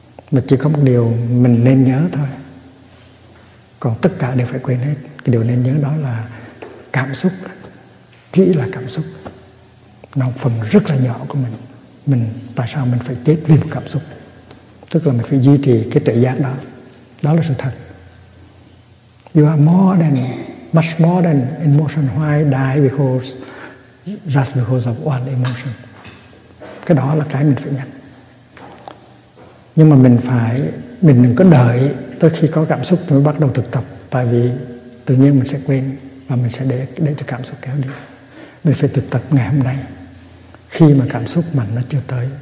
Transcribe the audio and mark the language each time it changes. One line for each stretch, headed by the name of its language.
Vietnamese: Mà chỉ có một điều mình nên nhớ thôi, còn tất cả đều phải quên hết. Cái điều nên nhớ đó là cảm xúc chỉ là cảm xúc, nó phần rất là nhỏ của mình. Mình tại sao mình phải chết vì một cảm xúc? Tức là mình phải duy trì cái tự giác đó. Đó là sự thật.
English: You are much more than emotion. Why die? Because just because of one emotion.
Vietnamese: Cái đó là cái mình phải nhận. Nhưng mà mình đừng có đợi tới khi có cảm xúc mới bắt đầu thực tập, tại vì tự nhiên mình sẽ quên và mình sẽ để cho cảm xúc kéo đi. Mình phải thực tập ngày hôm nay, khi mà cảm xúc mạnh nó chưa tới.